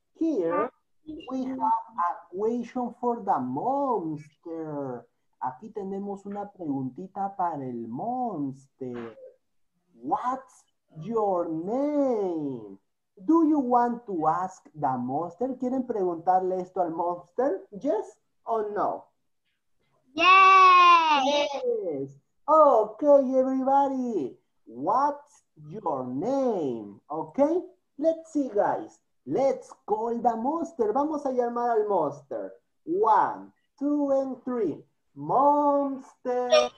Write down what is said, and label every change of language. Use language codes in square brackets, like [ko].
[en] Here, we have a question for the monster. [es] Aquí tenemos una preguntita para el monster. [en] What's your name? Do you want to ask the monster? [es] ¿Quieren preguntarle esto al monster? [en] Yes or no? Yes. Okay, everybody. What's your name? Okay. Let's see, guys. Let's call the monster. [es] Vamos a llamar al monster. [en] One, two, and three. Monster.